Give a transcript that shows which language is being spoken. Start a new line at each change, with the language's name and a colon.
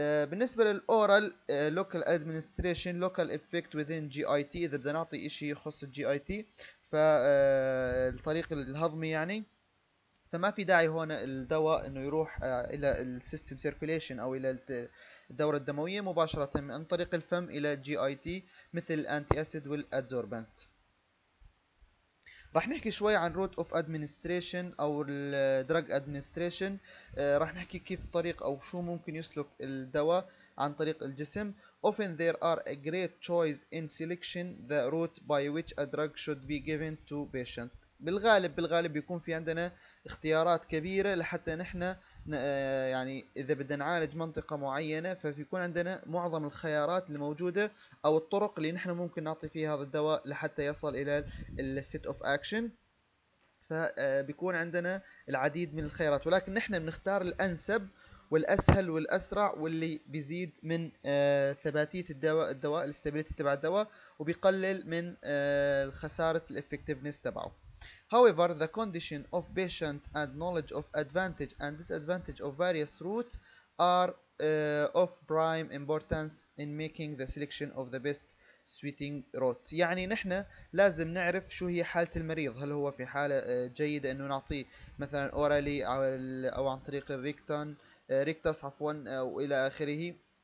Arabic: بالنسبة للأورال
English: local administration local effect وذين G I T,
Arabic: اذا بدنا نعطي اشي يخص الجي اي تي فالطريق الهضمي يعني، فما في داعي هون الدواء انه يروح الى السيستم سيركوليشن او الى الدورة الدموية مباشرة عن طريق الفم الى جي اي تي مثل الانتي اسيد والادزوربنت. راح نحكي شوي عن
English: route of administration
Arabic: او الدراج ادمنستريشن، راح نحكي كيف الطريق او شو ممكن يسلك الدواء عن طريق الجسم.
English: Often there are a great choice in selection the route by which a drug should be given to patient.
Arabic: بالغالب بيكون في عندنا اختيارات كبيره لحتى نحن يعني اذا بدنا نعالج منطقه معينه، فبيكون عندنا معظم الخيارات الموجوده او الطرق اللي نحن ممكن نعطي فيها هذا الدواء لحتى يصل الى الست اوف اكشن. فبيكون عندنا العديد من الخيارات، ولكن نحن بنختار الانسب والاسهل والاسرع واللي بيزيد من ثباتيه الدواء الاستابيليتي تبع الدواء وبيقلل من خساره الافكتيفنس تبعه.
English: However, the condition of patient and knowledge of advantage and disadvantage of various routes are of prime importance in making the selection of the best suiting route,
Arabic: يعني نحن لازم نعرف شو هي حالة المريض، هل هو في حالة جيدة انه نعطيه مثلا اورالي او عن طريق الريكتان ريكتاس عفوا والى اخره.